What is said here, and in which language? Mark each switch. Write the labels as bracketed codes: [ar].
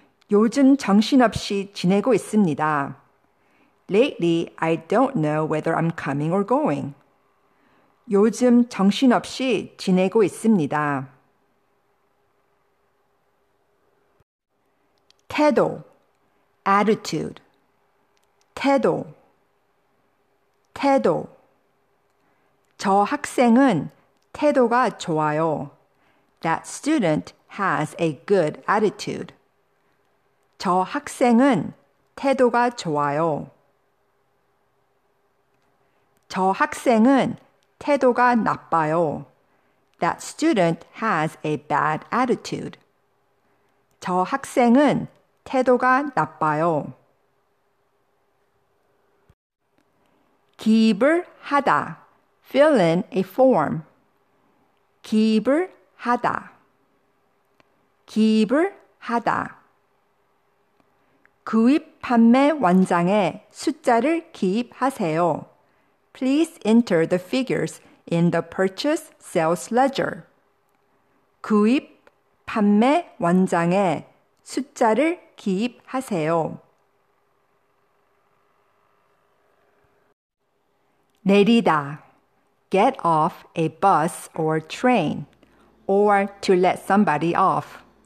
[ko] 요즘 정신없이 지내고 있습니다. [en] Lately, I don't know whether I'm coming or going. [ko] 요즘 정신없이 지내고 있습니다. 태도 [en] attitude [ko] 태도 태도 저 학생은 태도가 좋아요. [en] That student has a good attitude. [ko] 저 학생은 태도가 좋아요. 저 학생은 태도가 나빠요. [en] That student has a bad attitude. [ko] 저 학생은 태도가 나빠요. 기입을 하다. [en] Fill in a form. [ko] 기입을 하다. 기입을 하다. 구입 판매 원장에 숫자를 기입하세요. [en] Please enter the figures in the purchase sales ledger. [ko] 구입 판매 원장에 숫자를 기입하세요. 내리다. [en] Get off a bus or train. Or to let somebody off.